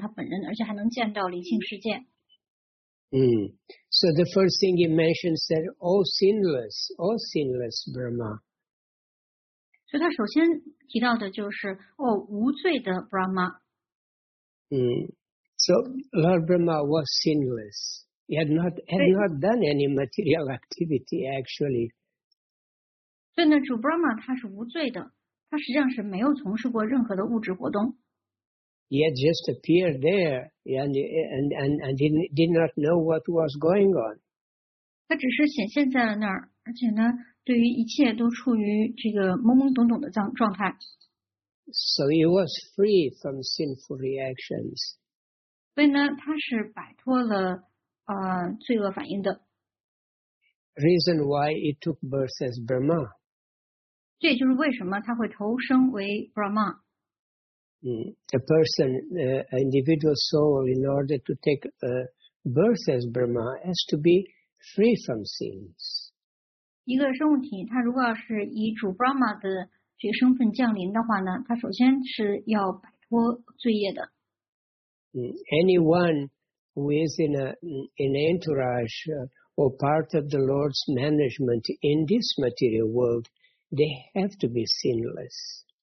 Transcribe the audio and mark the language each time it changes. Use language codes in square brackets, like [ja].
[zh] 所以在这里呢,他就在向主巴玛解释,那他怎么能够得到他本人的darshan,他如何能够看到他本人面对面的见到他本人,而且还能见到离性世界。 [en] So the first thing he mentions said, oh sinless Brahma. [zh] 所以他首先提到的就是, oh, 无罪的 Brahma. [en] So Lord Brahma was sinless. He had not done any material activity actually. [zh] 所以呢, 主 Brahma 他是无罪的, 他实际上是没有从事过任何的物质活动。 [en] He had just appeared there and did not know what was going on. [zh] 他只是显现在了那儿, 而且呢, 对于一切都处于这个懵懵懂懂的状态。 [en] So he was free from sinful reactions. [zh] 所以呢, 他是摆脱了, 罪恶反应的。 [en] Reason why he took birth as Brahma. [zh] 这也就是为什么他会投生为 Brahma。 [en] A person, an individual soul, in order to take a birth as Brahma, has to be free from sins. [zh] 一个生物体，它如果要是以主 Brahma 的这个身份降临的话呢，它首先是要摆脱罪业的。 [en] Anyone who is in an entourage or part of the Lord's management in this material world, they have to be sinless.